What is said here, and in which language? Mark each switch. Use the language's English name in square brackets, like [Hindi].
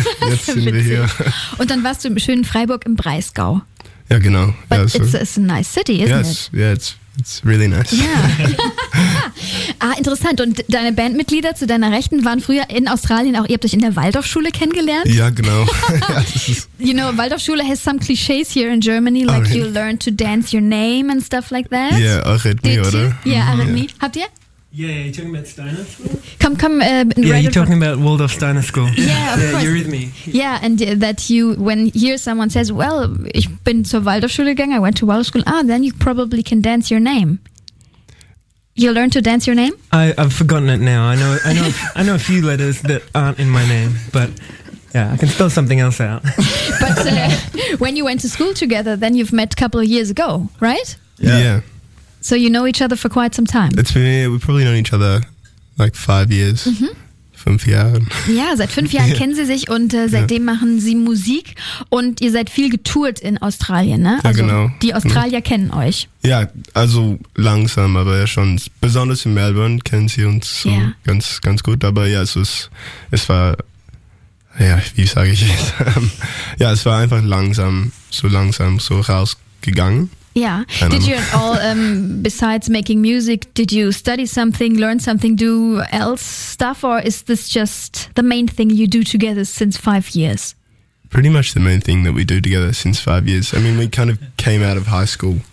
[German] Jetzt sind wir hier. Und dann warst du im schönen Freiburg im Breisgau. Ja, genau. [English] But it's a nice city, isn't it? It's really nice. [German] Yeah. Ah, interessant. Und deine Bandmitglieder zu deiner Rechten waren früher in Australien auch, ihr habt euch in der Waldorfschule kennengelernt? Ja, genau. [English] You know, Waldorfschule has some clichés here in Germany, like you learn to dance your name and stuff like that. [German] Yeah, Arrhythmie, oder? Yeah, Arrhythmie. Yeah. Habt ihr? [English] Yeah, you're talking about Steiner School? Come. Yeah, you're talking about Waldorf Steiner School. Yeah, of course. You're with me. Yeah, and that you, when here someone says, well, [German] ich bin zur Waldorfschule gegangen, [English] I went to Waldorf School, then you probably can dance your name. You learn to dance your name? I've forgotten it now. I know a few letters that aren't in my name, but yeah, I can spell something else out. But when you went to school together, then you've met a couple of years ago, right? Yeah. So you know each other for quite some time. We've probably known each other like 5 years. [German] Fünf Jahren. Ja, seit 5 Jahren kennen sie sich und seitdem machen sie Musik. Und ihr seid viel getourt in Australien, ne? Ja, also genau. Die Australier kennen euch. Ja, also langsam, aber ja schon. Besonders in Melbourne kennen sie uns so ganz, ganz gut. Aber ja, es war einfach langsam so rausgegangen. [English] Yeah. Did you at all, besides making music, did you study something, learn something, do else stuff, or is this just the main thing you do together since 5 years? Pretty much the main thing that we do together since 5 years. I mean, we kind of came out of high school.